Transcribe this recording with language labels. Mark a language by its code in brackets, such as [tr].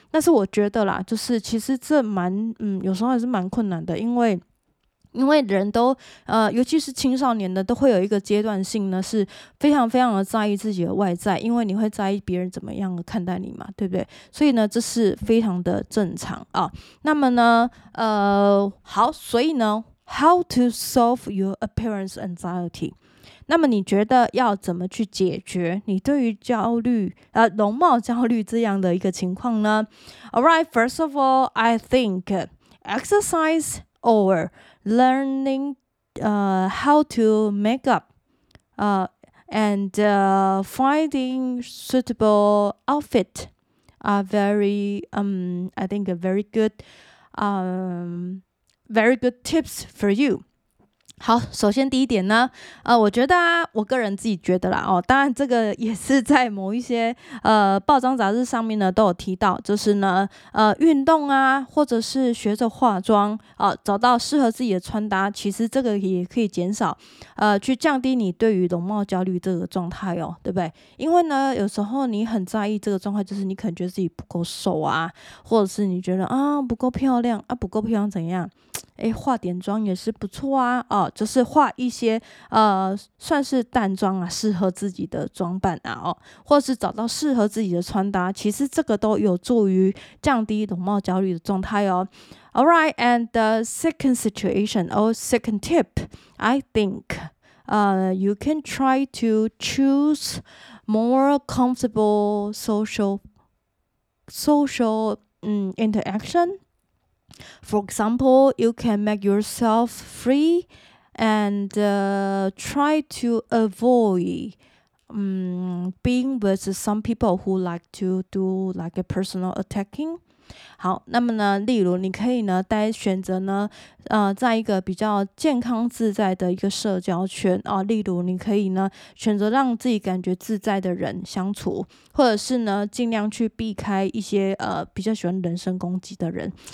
[zh] 但是我觉得啦，就是其实这蛮有时候还是蛮困难的，因为人都尤其是青少年的都会有一个阶段性呢，是非常非常的在意自己的外在，因为你会在意别人怎么样的看待你嘛，对不对？所以呢，这是非常的正常啊。那么呢，好，所以呢 ， [en] How to solve your appearance anxiety？ [zh] 那么你觉得要怎么去解决你对于焦虑容貌焦虑这样的一个情况呢 [en] ？All right, first of all, I think exercise or learning how to make up finding suitable outfit are very I think a very good very good tips for you. [zh] 好，首先第一点呢我觉得我个人自己觉得啦哦，当然这个也是在某一些报章杂志上面呢都有提到，就是呢运动啊，或者是学着化妆找到适合自己的穿搭，其实这个也可以减少去降低你对于容貌焦虑这个状态哦，对不对？因为呢有时候你很在意这个状态，就是你可能觉得自己不够瘦啊，或者是你觉得不够漂亮啊，不够漂亮怎样化点妆也是不错啊就是化一些算是淡妆啊，适合自己的装扮啊或是找到适合自己的穿搭，其实这个都有助于降低容貌焦虑的状态哦。 [en] Alright, and the second situation or second tip, I think you can try to choose more comfortable social interaction. For example, you can make yourself freeAnd try to avoid being with some people who like to do like a personal attacking. [zh] 好，那么呢，例如你可以呢待选择呢在一个比较健康自在的一个社交圈啊，例如你可以呢选择让自己感觉自在的人相处，或者是呢尽量去避开一些比较喜欢人身攻击的人。